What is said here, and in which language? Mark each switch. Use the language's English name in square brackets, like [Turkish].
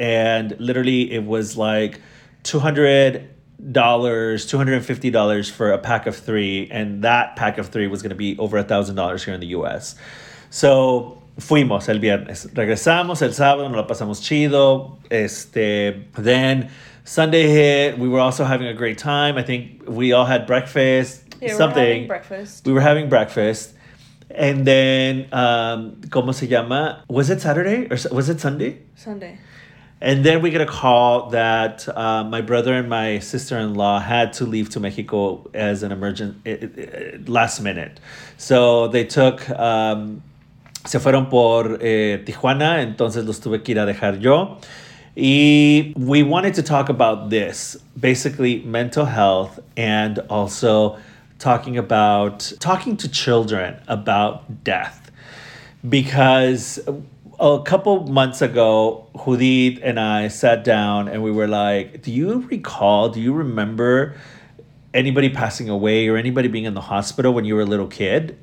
[English] And literally, it was like $200, $250 for a pack of three, and that pack of three was going to be over $1,000 here in the US. So [Spanish] fuimos el viernes, regresamos el sábado, nos la pasamos chido. [English] Then Sunday hit. We were also having a great time. I think we all had breakfast. We were having breakfast. And then, [Spanish] ¿cómo se llama? [English] Was it Saturday or was it Sunday? Sunday. And then we get a call that my brother and my sister-in-law had to leave to Mexico as an emergent last minute. So they took, [Spanish] se fueron por Tijuana. Entonces los tuve que ir a dejar yo. [English] We wanted to talk about this, basically mental health, and also talking to children about death. Because a couple months ago, Judit and I sat down and we were like, do you remember anybody passing away or anybody being in the hospital when you were a little kid?